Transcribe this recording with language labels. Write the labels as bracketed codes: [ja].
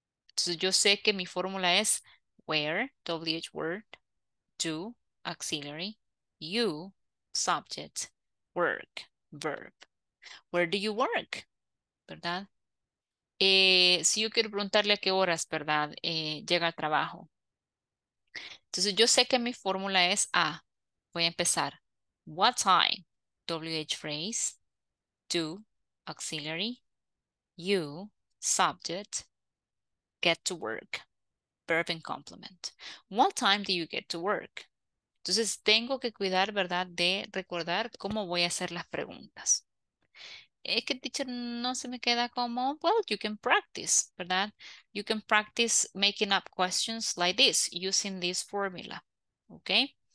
[es] Entonces, yo sé que mi fórmula es [en] where, WH word, do, auxiliary, you, subject, work, verb. Where do you work? ¿Verdad? [es] Si yo quiero preguntarle a qué horas, ¿verdad? Llega al trabajo. Entonces, yo sé que mi fórmula es A. Voy a empezar. [en] What time? WH phrase, do, auxiliary, you, subject, get to work, verb and complement. What time do you get to work? [es] Entonces, tengo que cuidar, ¿verdad?, de recordar cómo voy a hacer las preguntas. Es que, teacher, no se me queda como, [en] well, you can practice, [es] ¿verdad? [en] You can practice making up questions like this, using this formula, ¿ok?